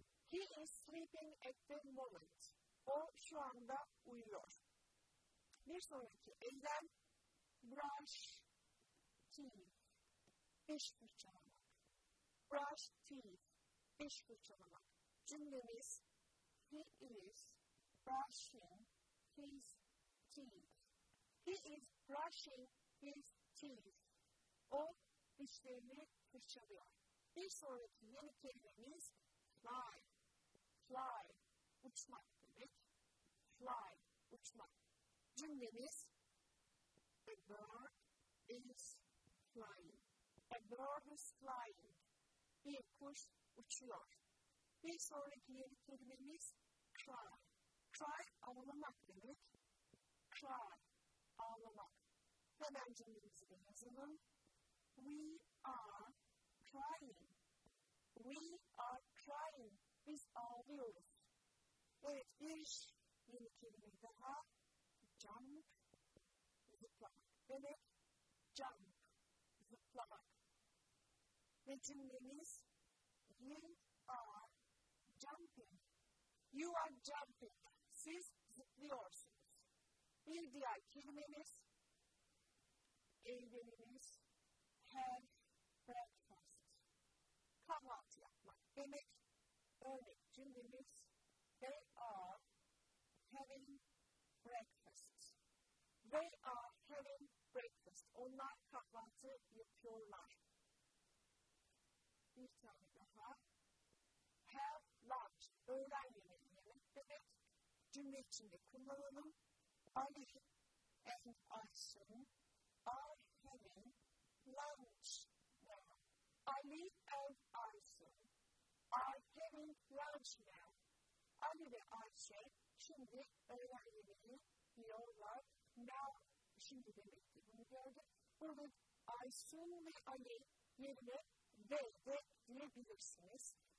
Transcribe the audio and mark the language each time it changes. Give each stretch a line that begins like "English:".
English: He is sleeping at the moment.
Turkish: O şu anda uyuyor. Bir sonraki eylem
English: brush teeth.
Turkish: Diş fırçalamak.
English: Brush teeth.
Turkish: Diş fırçalamak. Cümlemiz
English: he is brushing his teeth. He is brushing his teeth.
Turkish: O dişlerini fırçalıyor. bir sonraki yeni kelimemiz fly. Fly, uçmak demek. Fly, uçmak. Cümlemiz
English: a bird is flying. A bird is flying.
Turkish: Bir kuş uçuyor. Bir sonraki yeni kelimemiz cry. Cry, ağlamak demek. Cry, ağlamak. Hemen cümlemizi de yazalım.
English: We are crying. We are crying.
Turkish: Biz ağlıyoruz. Evet, bir yeni kelime daha. Jump, zıplamak. Demek, jump, zıplamak. Ve cümlemiz,
English: you are jumping. You are jumping.
Turkish: Siz zıplıyorsunuz. Bir diğer kelimemiz, evlenimiz,
English: have breakfast.
Turkish: Kahvaltı yapmak. Demek, örnek cümlemiz,
English: they are having breakfast. They are having breakfast.
Turkish: Onlar kahvaltı yapıyorlar. Bir tane daha.
English: Have lunch.
Turkish: Öğlen yemeği yemek demek. Cümle içinde kullanalım.
English: Ali and Aysun are having lunch now. Ali and Aysun are having lunch now.
Turkish: Ali ve Ayşe şimdi öğlen yemeği yiyorlar. Now, şimdi demek ki bunu gördük. Burada Aysun ve Ali yerine they de diyebilirsiniz.